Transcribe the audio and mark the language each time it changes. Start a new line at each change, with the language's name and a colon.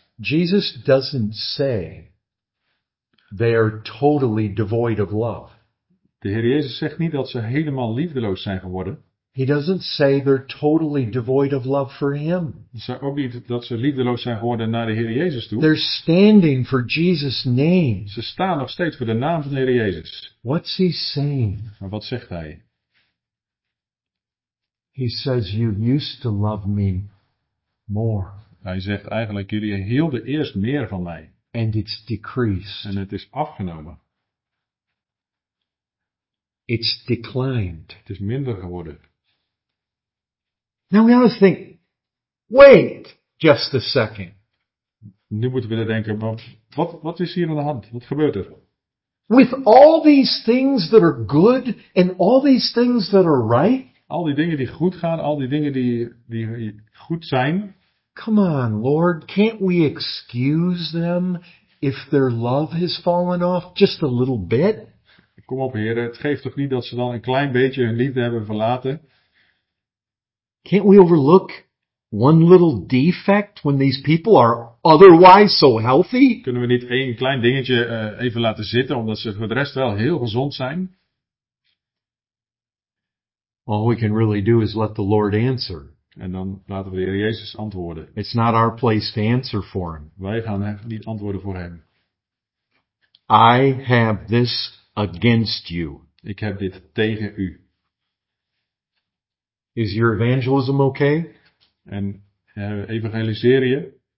English: Jesus doesn't say they are totally devoid of love.
Dutch: De Heer Jezus zegt niet dat ze helemaal liefdeloos zijn geworden.
English: He doesn't say they're totally devoid of love for him.
Dutch: Zeg ook niet dat ze liefdeloos zijn geworden naar de Heer Jezus toe.
English: They're standing for Jesus' name.
Dutch: Ze staan nog steeds voor de naam van de Heer Jezus.
English: What's he saying?
Dutch: Maar wat zegt hij?
English: He says you used to love me more.
Dutch: Hij zegt eigenlijk jullie hielden eerst meer van mij.
English: And it's decreased.
Dutch: En het is afgenomen.
English: It's declined.
Dutch: Het is minder geworden.
English: Now we ought to think, wait just a second.
Dutch: Nu moeten we denken, maar wat is hier aan de hand? Wat gebeurt er?
English: With all these things that are good and all these things that are right.
Dutch: Al die dingen die goed gaan, al die dingen die goed zijn.
English: Come on, Lord, can't we excuse them if their love has fallen off just a little bit?
Dutch: Kom op, heren, het geeft toch niet dat ze dan een klein beetje hun liefde hebben verlaten?
English: Can't we overlook one little defect when these people are otherwise so healthy?
Dutch: Kunnen we niet één klein dingetje even laten zitten, omdat ze voor de rest wel heel gezond zijn?
English: All we can really do is let the Lord answer.
Dutch: En dan laten we de Heer Jezus antwoorden.
English: It's not our place to answer for him.
Dutch: Wij gaan niet antwoorden voor hem.
English: I have this against you.
Dutch: Ik heb dit tegen u.
English: Is your evangelism okay?
Dutch: En evangeliseer je?